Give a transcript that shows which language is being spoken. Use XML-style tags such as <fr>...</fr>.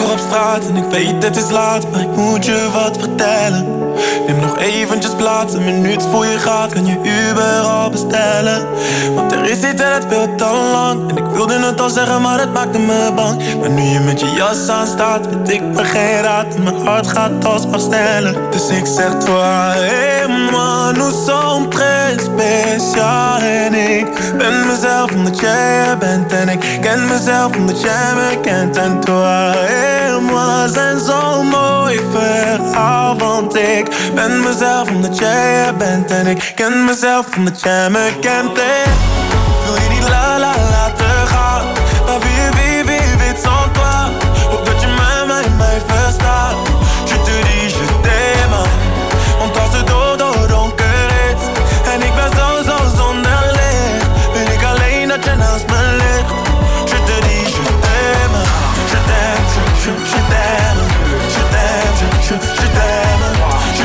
<nl>gaat en ik weet het is laat, maar ik moet je wat vertellen. Neem nog eventjes plaats, een minuut voor je gaat, kan je Uber al bestellen. Want er is iets en het wil te lang, en ik wilde het al zeggen, maar het maakte me bang. Maar nu je met je jas aan staat, weet ik me geen raad, en mijn hart gaat alsmaar sneller. Dus ik zeg</nl> <fr>toi, hey man, nous sommes très spéciaux.</fr> <nl>En ik ben mezelf omdat jij er bent, en ik ken mezelf omdat jij me kent. En toi, hey man, zijn zo'n mooi verhaal, want ik ben mezelf omdat jij er bent, en ik ken mezelf omdat jij me kent. En wil je niet la la laten gaan, maar wie weet zo'n toi. Hoop dat je mij verstaat.</nl> <fr>Je te dis, je t'aime,</fr> <nl>want als het dodo donker is en ik ben zo zonder licht, wil ik alleen dat je naast me ligt.</nl> <fr>Je te dis, je t'aime, je t'aime, je t'aime, je t'aime, je t'aime.</fr>